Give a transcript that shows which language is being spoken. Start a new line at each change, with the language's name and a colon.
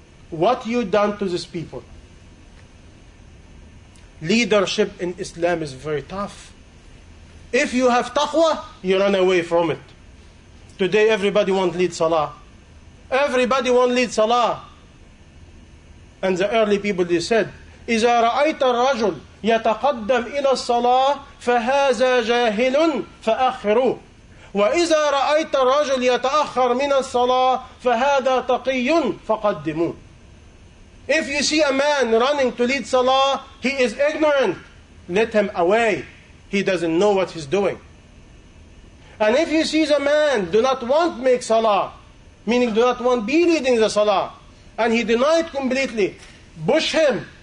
English: What you done to these people? Leadership in Islam is very tough. If you have taqwa, you run away from it. Today everybody won't lead salah. Everybody won't lead salah. And the early people, they said,
Arabic: إِذَا رَأَيْتَ الرَّجُلْ يَتَقَدَّمْ إِلَى الصَّلَاةِ فَهَذَا جَاهِلٌ فَأَخِّرُوا وَإِذَا رَأَيْتَ الرَّجُلْ يَتَأَخَّرْ مِنَ الصَّلَاةِ فَهَذَا تَقِيٌّ فَقَدِّمُوا.
English: If you see a man running to lead salah, he is ignorant. Let him away. He doesn't know what he's doing. And if you see the man do not want to make salah, meaning do not want to be leading the salah, and he denied completely, push him.